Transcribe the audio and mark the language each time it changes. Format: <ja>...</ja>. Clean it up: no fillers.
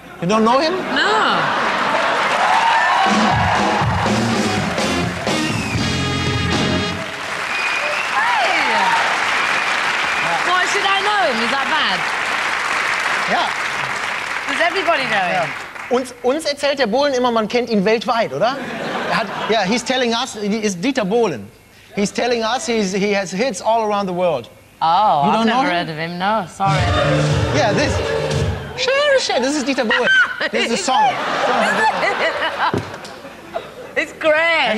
<en>You don't know him? No. Hey! Why should I know him? Is that bad? Yeah. Does everybody know him? Yeah.</en> <de>Uns erzählt der Bohlen immer, man kennt ihn weltweit, oder?</de> <en>Yeah, he's telling us, it's Dieter Bohlen. He's telling us he has hits all around the world. Oh, you don't know him? Heard of him, no, sorry. Yeah, this. Share. This is Dieter Bohlen. This is a song. It's great.</en>